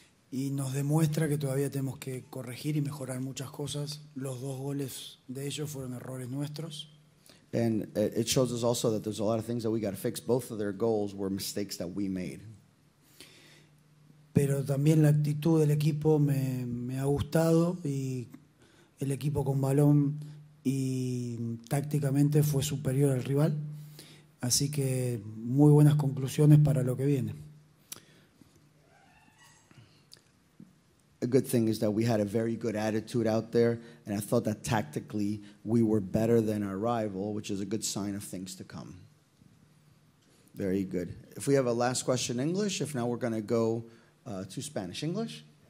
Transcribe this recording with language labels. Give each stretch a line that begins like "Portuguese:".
Spanish: demuestra que todavía tenemos que corregir y mejorar muchas cosas. Los dos goles de ellos fueron errores nuestros.
English: And it shows us also that there's a lot of things that we got to fix. Both of their goals were mistakes that we made.
Spanish: Pero también la actitud del equipo me ha gustado, y el equipo con balón y tácticamente fue superior al rival. Así que muy buenas conclusiones para lo que viene.
English: A good thing is that we had a very good attitude out there, and I thought that tactically we were better than our rival, which is a good sign of things to come. Very good. If we have a last question in English, if not, we're going to go to Spanish. English?